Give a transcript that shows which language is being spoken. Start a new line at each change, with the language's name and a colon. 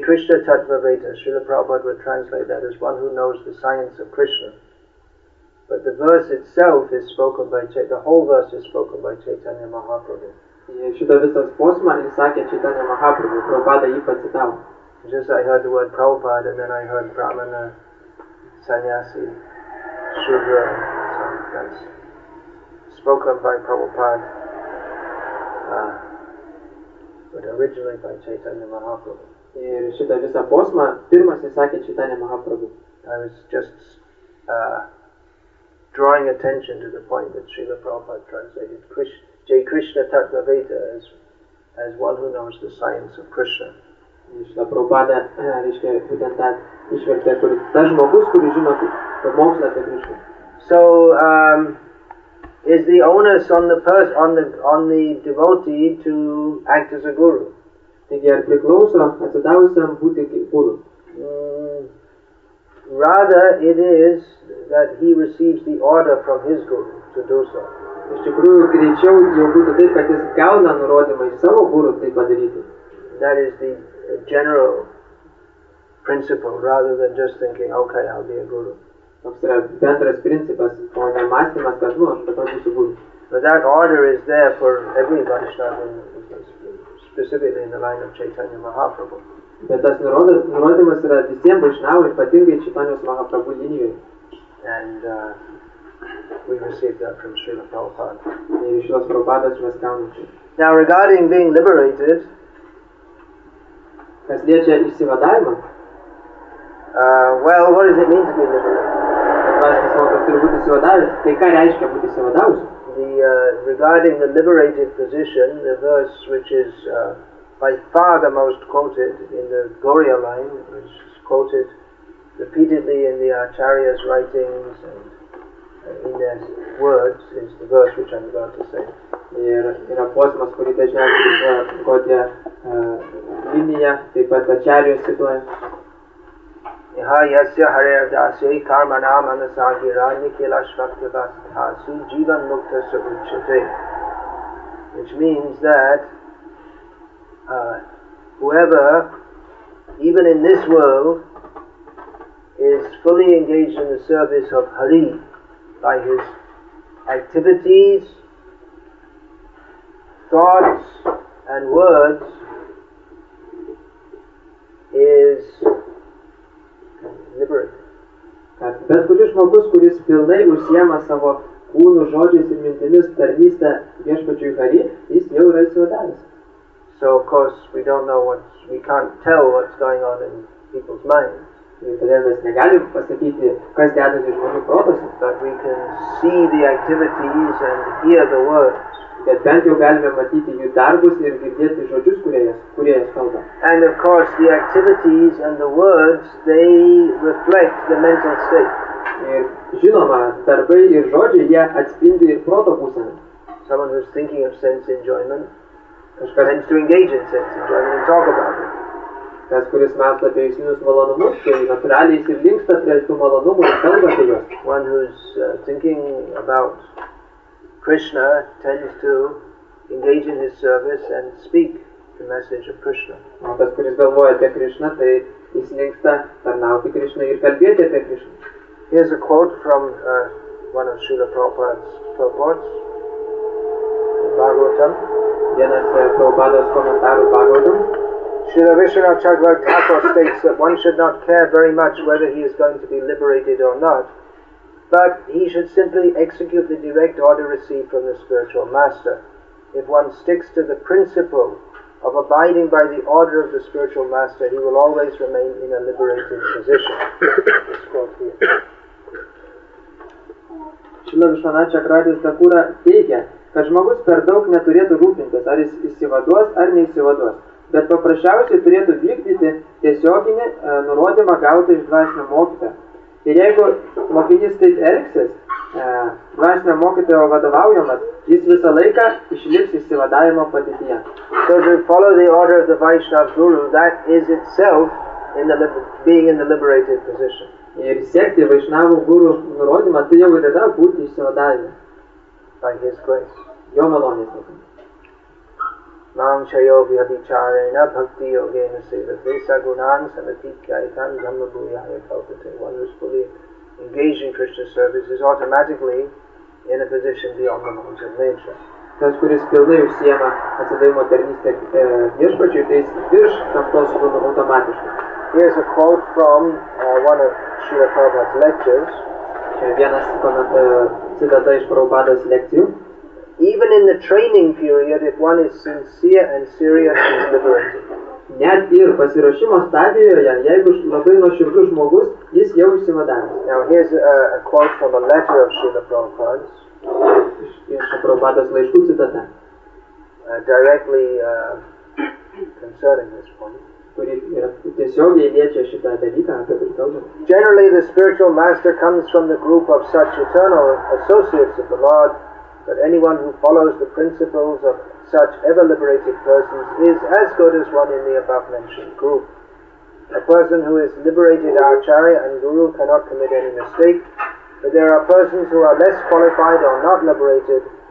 English: Krishna Tattva Veta, Srila Prabhupada would translate that as one who knows the science of Krishna. But the verse itself is spoken by the whole verse is spoken by Chaitanya Mahaprabhu.
Lithuanian: Šitą visą posmą jis sakė Chaitanya Mahaprabhu, Prabhupada jį pacitavo.
English: Just I heard the word Prabhupada and then I heard Brahmana, Sanyasi, Shudra, some guys. Spoken by Prabhupada, but originally by Chaitanya Mahaprabhu.
Lithuanian: Ir šitą visą posmą pirmas įsakė Chaitanya Mahaprabhu.
English: I was just drawing attention to the point that Srila Prabhupada translated J. Krishna Tattva Veta as one who knows the science of Krishna.
Lithuanian: Ir šitą Prabhupada, reiškia, būtent tą išvertė, kuris tas žmogus, kuris žino mokslą apie Krishna.
English: So, is the onus on the person, on the devotee to act as a guru?
Lithuanian: Taigi ar priklauso atsidavusiam būti kaip guru?
English: Rather it is that he receives the order from his guru to do so.
Lithuanian: Iš tikrųjų greičiau jau būtų taip, kad jis gauna nurodymą iš savo guru tai padaryti.
English: that is the general principle, rather than just thinking, okay, I'll be a guru.
Lithuanian: Toks yra bendras principas, o ne mąstymas, kad, nu, aš patau būsiu guru.
English: But that order is there for every Vaishnava, specifically in the line of Chaitanya Mahaprabhu.
Lithuanian: Bet tas nurodymas yra visiems Vaishnavai, ypatingai Chaitanyos Mahaprabhu linijoje.
English: And we received that from Srila Prabhupada.
Lithuanian: Ir Srila Prabhupadas mes gaunam čia.
English: Now regarding being liberated,
Lithuanian: kas liečia išsivadavimą,
English: well, what does it mean to be liberated?
Lithuanian: Kas tas mokas turi būti išsivadavęs, tai ką reiškia būti išsivadavus?
English: Regarding the liberated position, the verse which is by far the most quoted in the Gaudiya line, which is quoted repeatedly in the Acharya's writings and in their words, is the verse which I'm about to say.
Lithuanian: Yra posmas, kurį dažniausiai Gaudiya linija, taip pat Acharya's cituoja.
Sanskrit: Yaha yasya harer dasyai karmana manasa hirani kila shvakti vasthasi jivan mukta sa uchyate.
English: Which means that whoever, even in this world, is fully engaged in the service of Hari by his activities, thoughts, and words, is
Lithuanian: kad bet kuris žmogus, kuris pilnai užsiema savo kūnų žodžiais ir mintimis tarnystę viešpačiui Hari, jis jau yra išsivadavęs.
English: So of course we don't know what we can't tell what's going on in people's minds.
Lithuanian: Todėl mes negalim pasakyti, kas dedasi žmonių protuose,
English: but we can see the activities and hear the words.
Lithuanian: Bet bent jau galime matyti jų darbus ir girdėti žodžius, kurie jas kalba.
English: And of course the activities and the words, they reflect the mental state.
Lithuanian: Ir žinoma, darbai ir žodžiai, jie atspindi ir proto būseną.
English: Someone who's thinking of sense enjoyment tends to engage in sense enjoyment and talk about it.
Lithuanian: Tas, kuris mąsto apie jausminius malonumus, tai natūraliai jis ir linksta prie tų malonumų ir kalba apie juos.
English: One who's thinking about Krishna tends to engage in his service and speak the message of Krishna.
Lithuanian: O tas, kuris galvoja apie Krishna, tai jis linksta tarnauti Krishna ir kalbėti apie Krishna.
English: Here's a quote from one of Srila Prabhupada's purports, Bhagavatam.
Lithuanian: Vienas Prabhupada's komentarų Bhagavatam.
English: Srila Vishwanatha Chakravarti Thakur states that one should not care very much whether he is going to be liberated or not, but he should simply execute the direct order received from the spiritual master. If one sticks to the principle of abiding by the order of the spiritual master, he will always remain in a liberated position. This quote here.
Lithuanian: Srila Vishwanatha Chakravarti Thakur teigia, kad žmogus per daug neturėtų rūpintis, ar jis išsivaduos, ar neišsivaduos, bet paprasčiausiai turėtų vykdyti tiesioginį nurodymą gauti iš dvasinio mokytojo. Ir jeigu mokinys taip elgsis, dvasinio mokytojo vadovaujamas, jis visą laiką išliks išsivadavimo padėtyje.
English: So if you follow the order of the Vaishnava Guru, that is itself in the being in the liberated position.
Lithuanian: Ir sekti Vaishnava Guru nurodymą, tai jau ir yra būti išsivadavime.
English: By his grace.
Lithuanian: Jo malonės tokia.
Sanskrit: Mamsha yogi adhicharena bhakti yogena sevate sa gunan samatikyaitan dhamma bhuyaya kalpate.
English: One who is fully engaged in Krishna service is automatically in a position beyond the bounds of nature.
Lithuanian: Tas, kuris pilnai užsiema atsidavimo tarnystę viešpačiui, tai jis virš gamtos kūno automatiškai.
English: Here's a quote from one of Srila Prabhupada's lectures.
Lithuanian: Čia vienas citata iš Prabhupada's lekcijų.
English: Even in the training period, if one is sincere and serious, he is liberated.
Lithuanian: Net ir pasiruošimo stadijoje, jeigu labai nuoširdus žmogus, jis jau išsivadavęs.
English: Now here's a quote from a letter of Srila Prabhupada's.
Lithuanian: Iš Prabhupada's laiškų citata.
English: Directly concerning this point.
Lithuanian: Kuri tiesiogiai liečia šitą dalyką, apie kurį kalbame.
English: Generally the spiritual master comes from the group of such eternal associates of the Lord, but anyone who follows the principles of such ever-liberated persons is as good as one in the above-mentioned group. A person who is liberated acharya and guru cannot commit any mistake, but there are persons who are less qualified or not liberated,